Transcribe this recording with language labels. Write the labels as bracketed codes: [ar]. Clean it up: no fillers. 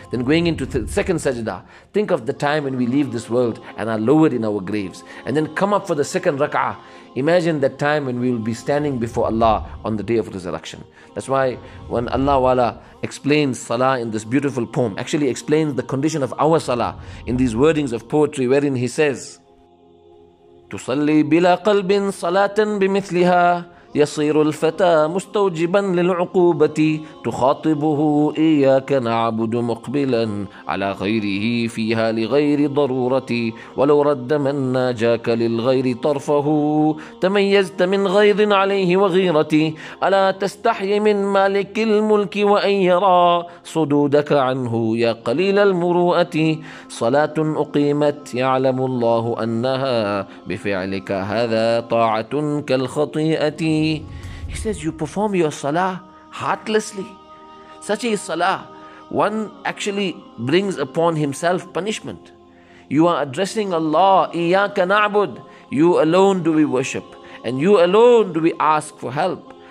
[en] Then going into the second sajda, think of the time when we leave this world and are lowered in our graves. And then come up for the second rak'ah. Imagine that time when we will be standing before Allah on the day of resurrection. That's why when Allah Wala explains salah in this beautiful poem, actually explains the condition of our salah in these wordings of poetry, wherein he says, [ar] تُصَلِّي بِلَا قَلْبٍ صَلَاةً بِمِثْلِهَا يصير الفتى مستوجبا للعقوبة تخاطبه إياك نعبد مقبلا على غيره فيها لغير ضرورة ولو رد من ناجاك للغير طرفه تميزت من غيظ عليه وغيرة ألا تستحي من مالك الملك وأن يرى صدودك عنه يا قليل المروءة صلاة أقيمت يعلم الله أنها بفعلك هذا طاعة كالخطيئة. [en] He says, you perform your salah heartlessly. Such a salah, one actually brings upon himself punishment. You are addressing Allah, [ar] إِيَّاكَ نَعْبُدْ. [en] You alone do we worship, and you alone do we ask for help.